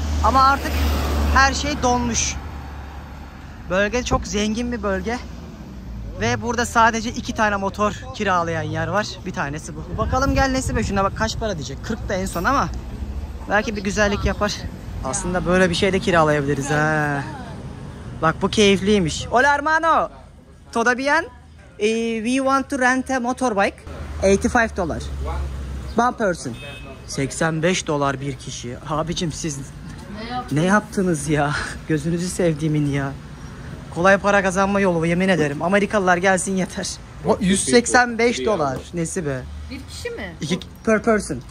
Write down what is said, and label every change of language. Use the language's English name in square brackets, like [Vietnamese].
[Turkish] Ama artık her şey donmuş. Bölge çok zengin bir bölge. Ve burada sadece 2 tane motor kiralayan yer var. Bir tanesi bu. Bakalım gel Nesibe, şuna bak kaç para diyecek. 40 da en son ama. Belki bir güzellik yapar. Aslında böyle bir şey de kiralayabiliriz ha. Bak bu keyifliymiş. [Spanish] Hola hermano. Todo bien? [English] We want to rent a motorbike. $85. One person. $85 [Turkish] bir kişi. Abicim siz ne yaptınız ya? Gözünüzü sevdiğimin ya. Kolay para kazanma yolu bu, yemin ederim. Amerikalılar gelsin yeter. O $185 nesi be? Bir kişi mi? [English] İki, per person.